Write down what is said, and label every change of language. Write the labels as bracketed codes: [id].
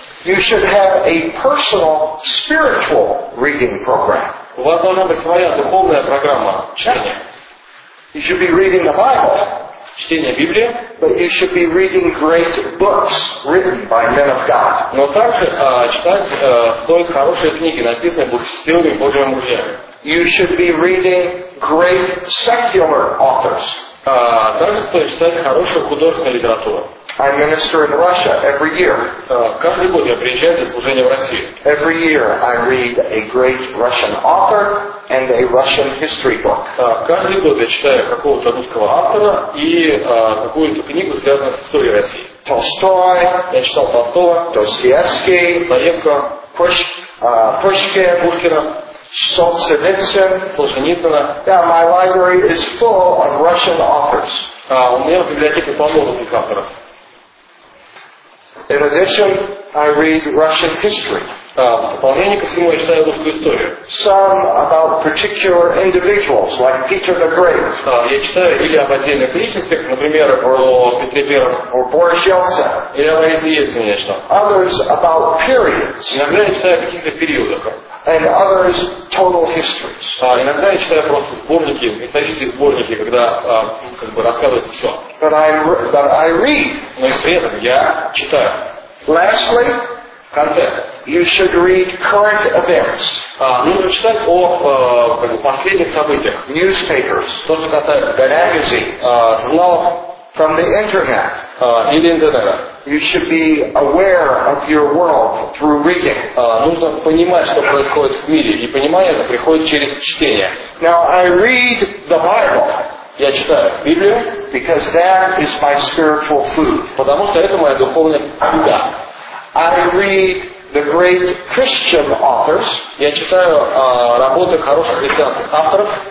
[en] You should have a personal spiritual reading program. [ru] У вас должна быть своя духовная программа чтения. [en] You should be reading the Bible. [ru] Чтение Библии. [en] But you should be reading great books written by men of God. [ru] Но также читать стоит хорошие книги, написанные благочестивыми Божьими мужьями. [en] You should be reading great secular authors. [ru] Также стоит читать хорошую художественную литературу. [en] I minister in Russia every year. [ru] Каждый год я приезжаю для служения в России. [en] Every year I read a great Russian author and a Russian history book. [ru] Каждый год я читаю какого-то русского автора и какую-то книгу, связанную с историей России. Толстой. Я читал Толстого. Достоевский. Достоевского. Пушкина. Солженицын. Солженицына. [en] Yeah, my library is full of Russian authors. [ru] У меня в библиотеке полно русских авторов. [en] In addition, I read Russian history. [ru] Дополнение ко всему, я читаю русскую историю. [en] Some about particular individuals, like Peter the Great. [ru] Я читаю или об отдельных личностях, например, о Петре Первом. [en] Or Boris Yeltsin. [ru] Или о Борисе Ельцине, что. [en] Others about periods. [ru] Иногда я читаю о каких-то периодах. [en] And others total histories. [ru] Иногда я читаю просто сборники, исторические сборники, когда рассказывается все. [en] But I read. [ru] Но и при этом я читаю. [en] Lastly, content. You should read current events. [ru] Нужно читать о последних событиях. [en] Newspapers. [ru] То, что касается магазинов. Журналов. [en] From the internet. [ru] Или интернета. [en] You should be aware of your world through reading. [ru] Нужно понимать, что происходит в мире, и понимание это приходит через чтение. [en] Now I read the Bible. [ru] Я читаю Библию. [en] Because that is my spiritual food. [ru] Потому что это моя духовная еда. [en] I read the great Christian authors. [ru] Я читаю работы хороших христианских авторов.